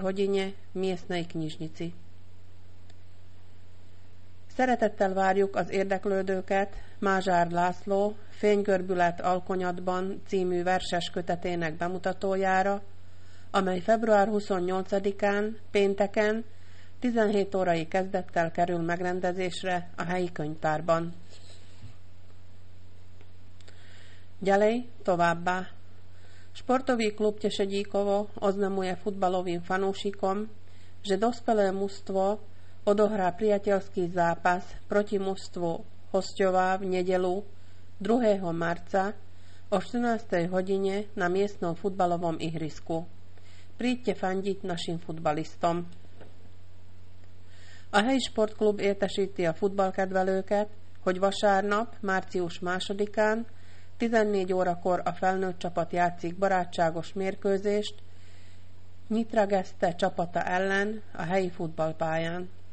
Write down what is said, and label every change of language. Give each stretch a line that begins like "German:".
Slovak: hodine v miestnej knižnici.
Hungarian: Szeretettel várjuk az érdeklődőket Mázsár László Fénygörbület alkonyatban című verses kötetének bemutatójára, amely február 28-án, pénteken 17 órai kezdettel kerül megrendezésre a helyi könyvtárban.
Slovak: Ďalej
Hungarian: továbbá.
Slovak: Sportový klub Tešedíkovo oznamuje futbalovým fanúšikom, že dospelé mužstvo odohrá priateľský zápas proti mužstvu Hosťová v nedeľu 2. marca o 14. hodine na miestnom futbalovom ihrisku. Príďte fandiť našim futbalistom.
Hungarian: A helyi športklub értesíti a futbalkedvelőket, hogy vasárnap, március 2-án 14 órakor a felnőtt csapat játszik barátságos mérkőzést Nyitra Geszte csapata ellen a helyi futballpályán.